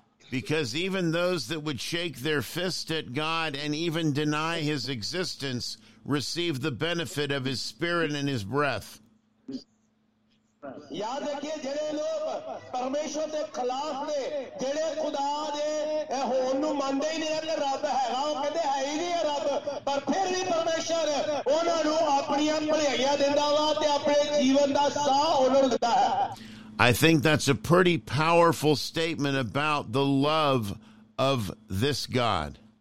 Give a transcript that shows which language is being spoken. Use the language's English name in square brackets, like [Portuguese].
[English] Because even those that would shake their fist at God and even deny his existence receive the benefit of his spirit and his breath. [Punjabi] ਯਾਦ ਰੱਖਿਏ ਜਿਹੜੇ ਲੋਕ ਪਰਮੇਸ਼ਵਰ ਦੇ ਖਿਲਾਫ ਨੇ, ਜਿਹੜੇ ਖੁਦਾ ਦੇ ਹੋਣ ਨੂੰ ਮੰਨਦੇ ਹੀ ਨਹੀਂ ਕਿ ਰੱਬ ਹੈਗਾ, ਉਹ ਕਹਿੰਦੇ ਹੈ ਹੀ ਨਹੀਂ ਰੱਬ, ਪਰ ਫਿਰ ਵੀ ਪਰਮੇਸ਼ਵਰ ਉਹਨਾਂ ਨੂੰ ਆਪਣੀਆਂ ਭਲਾਈਆਂ ਦਿੰਦਾ ਵਾ ਤੇ ਆਪਣੇ ਜੀਵਨ ਦਾ ਸਾਹ ਉਹਨਾਂ ਨੂੰ ਦਿੰਦਾ ਹੈ. [English] I think that's a pretty powerful statement about the love of this God.